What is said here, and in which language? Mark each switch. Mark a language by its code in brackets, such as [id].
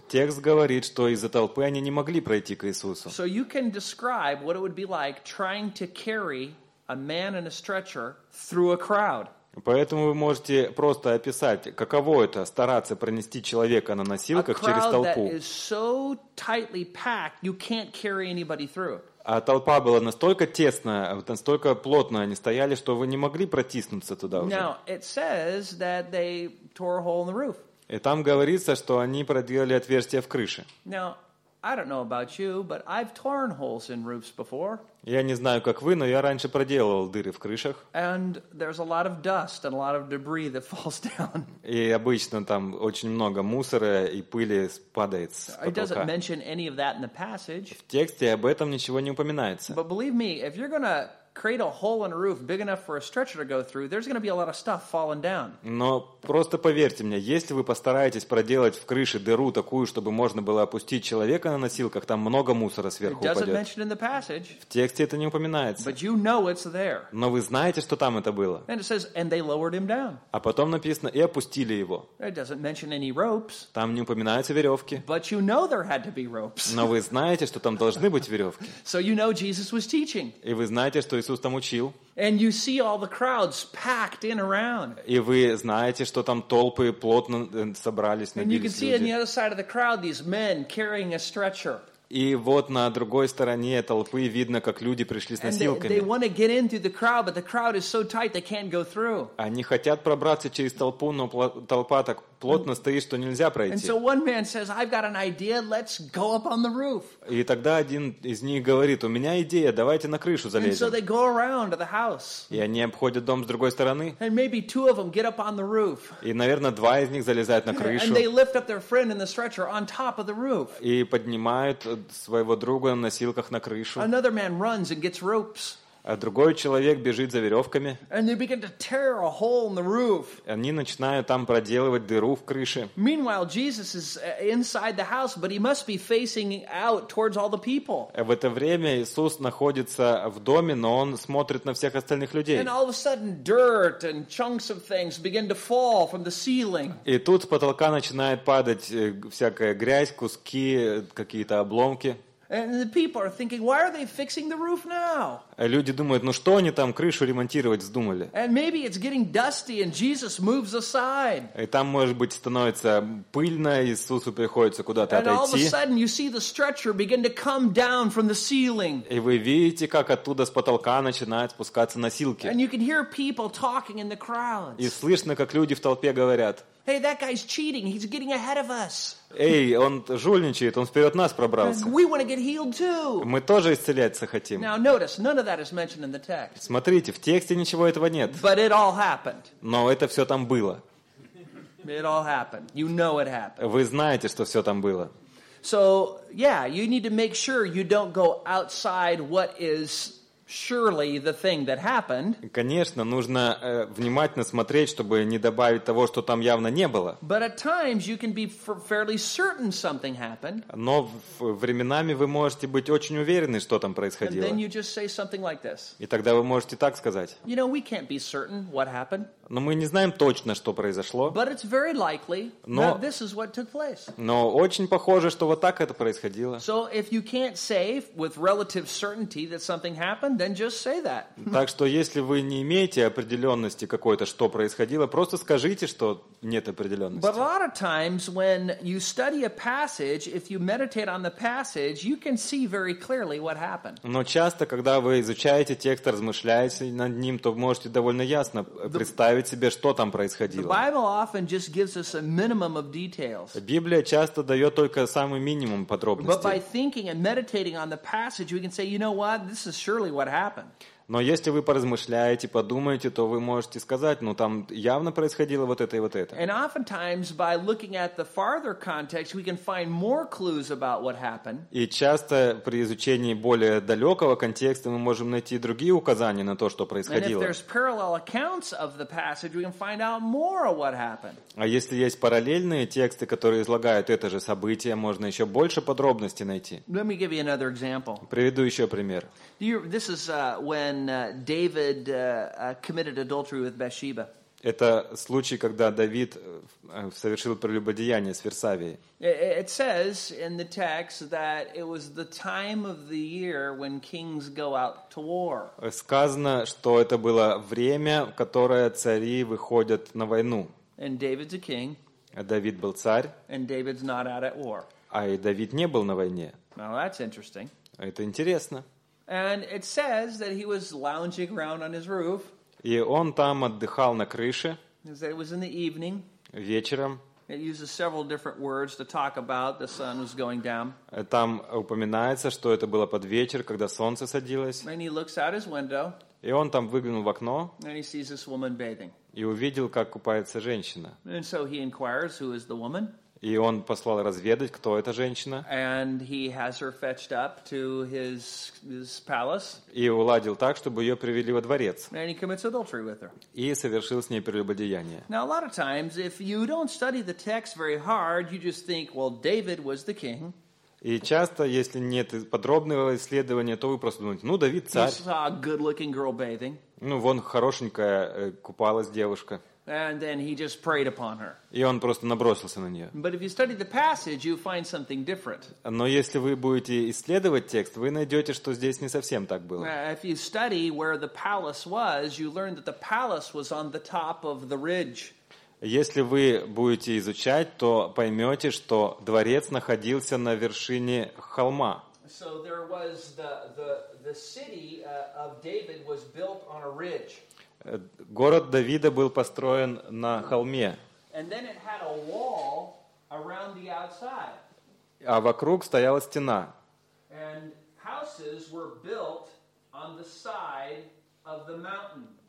[ru] Текст говорит, что из-за толпы они не могли пройти к Иисусу. [en] So you can describe what it would be like trying to carry a man in a stretcher through a crowd. [ru] Поэтому вы можете просто описать, каково это стараться пронести человека на носилках через толпу. [en] A crowd that is so tightly packed, you can't carry anybody through. [ru] А толпа была настолько тесная, настолько плотно они стояли, что вы не могли протиснуться туда уже. [en] Now, it says that they tore a hole in the roof. [ru] И там говорится, что они проделали отверстие в крыше. [en] Now, I don't know about you, but I've torn holes in roofs before. [ru] Я не знаю, как вы, но я раньше проделывал дыры в крышах. [en] And there's a lot of dust and a lot of debris that falls down. [ru] И обычно там очень много мусора и пыли падает с потолка. [en] It doesn't mention any of that in the passage. [ru] В тексте об этом ничего не упоминается. [en] But believe me, if you're gonna create a hole in a roof big enough for a stretcher to go through, there's going to be a lot of stuff falling down. [ru] Но просто поверьте мне, если вы постараетесь проделать в крыше дыру такую, чтобы можно было опустить человека на носилках, там много мусора сверху упадет. [en] It doesn't mention in the passage. [ru] В тексте это не упоминается. [en] But you know it's there. [ru] Но вы знаете, что там это было. [en] And it says, and they lowered him down. [ru] А потом написано, и опустили его. [en] It doesn't mention any ropes. [ru] Там не упоминаются веревки. [en] But you know there had to be ropes. [ru] Но вы знаете, что там должны быть веревки. [en] So you know Jesus was teaching. [ru] И вы знаете, что Иисус там учил. [en] And you see all the crowds packed in around. [ru] И вы знаете, что там толпы плотно собрались, набились. [en] And you can see [ru] люди [en] on the other side of the crowd these men carrying a stretcher. [ru] И вот на другой стороне толпы видно, как люди пришли с носилками. [en] They want to get in through the crowd, but the crowd is so tight they can't go through. [ru] Они хотят пробраться через толпу, но толпа так плотно стоит, что нельзя пройти. [en] And so one man says, "I've got an idea. Let's go up on the roof." [ru] И тогда один из них говорит: "У меня идея. Давайте на крышу залезем." [en] And so they go around to the house. [ru] И они обходят дом с другой стороны. [en] And maybe two of them get up on the roof. [ru] И, наверное, два из них залезают на крышу. [en] And they lift up their friend in the stretcher on top of the roof. [ru] И поднимают своего друга на носилках на крышу. [en] Another man runs and gets ropes. [ru] А другой человек бежит за веревками. [en] And they begin to tear a hole in the roof. [ru] Они начинают там проделывать дыру в крыше. [en] Meanwhile, Jesus is inside the house, but he must be facing out towards all the people. [ru] А в это время Иисус находится в доме, но он смотрит на всех остальных людей. [en] And all of a sudden, dirt and chunks of things begin to fall from the ceiling. [ru] И тут с потолка начинает падать всякая грязь, куски, какие-то обломки. [en] And the people are thinking, why are they fixing the roof now? [ru] Люди думают, ну что они там крышу ремонтировать вздумали? [en] And maybe it's getting dusty and Jesus moves aside. [ru] И там, может быть, становится пыльно, Иисусу приходится куда-то [en] and [ru] отойти. [en] And all of a sudden you see the stretcher begin to come down from the ceiling. [ru] И вы видите, как оттуда с потолка начинают спускаться носилки. [en] And you can hear people talking in the crowds. [ru] И слышно, как люди в толпе говорят: [en] Hey, that guy's cheating. He's getting ahead of us. [ru] Эй, он жульничает, он вперед нас пробрался. [en] We want to get healed too. [ru] Мы тоже исцеляться хотим. [en] Now notice, none of that is mentioned in the text. [ru] Смотрите, в тексте ничего этого нет. [en] But it all happened. [ru] Но это все там было. [en] It all happened. You know it happened. [ru] Вы знаете, что все там было. [en] So, yeah, you need to make sure you don't go outside what is surely the thing that happened. [ru] Конечно, нужно внимательно смотреть, чтобы не добавить того, что там явно не было. [en] But at times you can be fairly certain something happened. [ru] Но временами вы можете быть очень уверены, что там происходило. [en] And then you just say something like this. [ru] И тогда вы можете так сказать. [en] You know, we can't be certain what happened. [ru] Но мы не знаем точно, что произошло. [en] But it's very likely that this is what took place. [ru] Но очень похоже, что вот так это происходило. [en] So if you can't say with relative certainty that something happened, then just say that. [ru] Так что если вы не имеете определенности какой-то, что происходило, просто скажите, что нет определенности. [en] But a lot of times when you study a passage, if you meditate on the passage, you can see very clearly what happened. [ru] Но часто, когда вы изучаете текст, размышляете над ним, то можете довольно ясно представить себе, что там происходило. [en] The Bible often just gives us a minimum of details. [ru] Библия часто дает только самый минимум подробностей. [en] But by thinking and meditating on the passage, we can say, you know what, this is surely what happened. [ru] Но если вы поразмышляете, подумаете, то вы можете сказать, ну там явно происходило вот это и вот это. [en] And oftentimes, by looking at the farther context, we can find more clues about what happened. [ru] И часто при изучении более далекого контекста мы можем найти другие указания на то, что происходило. [en] And if there's parallel accounts of the passage, we can find out more of what happened. [ru] А если есть параллельные тексты, которые излагают это же событие, можно еще больше подробностей найти. [en] Let me give you another example. [ru] Приведу еще пример. [en] This is when David committed adultery with Bathsheba. [ru] Это случай, когда Давид совершил прелюбодеяние с Версавией. [en] It says in the text that it was the time of the year when kings go out to war. [ru] Сказано, что это было время, в которое цари выходят на войну. [en] And David's a king. [ru] Давид был царь. [en] And David's not out at war. [ru] А и Давид не был на войне. [en] Now that's interesting. [ru] Это интересно. [en] And it says that he was lounging around on his roof. [ru] И он там отдыхал на крыше. [en] It was in the evening. [ru] Вечером. [en] It uses several different words to talk about the sun was going down. [ru] Там упоминается, что это было под вечер, когда солнце садилось. [en] And he looks out his window. [ru] И он там выглянул в окно. [en] And he sees this woman bathing. [ru] И увидел, как купается женщина. [en] And so he inquires, who is the woman? [ru] И он послал разведать, кто эта женщина. [en] And he has her fetched up to his palace. [ru] И уладил так, чтобы ее привели во дворец. [en] And he commits adultery with her. [ru] И совершил с ней прелюбодеяние. [en] Now, a lot of times, if you don't study the text very hard, you just think, well, David was the king. [ru] И часто, если нет подробного исследования, то вы просто думаете, ну, Давид царь. [en] He saw a good-looking girl bathing. [ru] Ну, вон хорошенькая купалась девушка. [en] And then he just preyed upon her. [ru] И он просто набросился на нее. [en] But if you study the passage, you find something different. [ru] Но если вы будете исследовать текст, вы найдете, что здесь не совсем так было. [en] If you study where the palace was, you learn that the palace was on the top of the ridge. [ru] Если вы будете изучать, то поймете, что дворец находился на вершине холма. [en] So there was the city of David was built on a ridge. [ru] Город Давида был построен на холме. [en] And then it had a wall around the outside. [ru] А вокруг стояла стена. [en] And houses were built on the side of the mountain.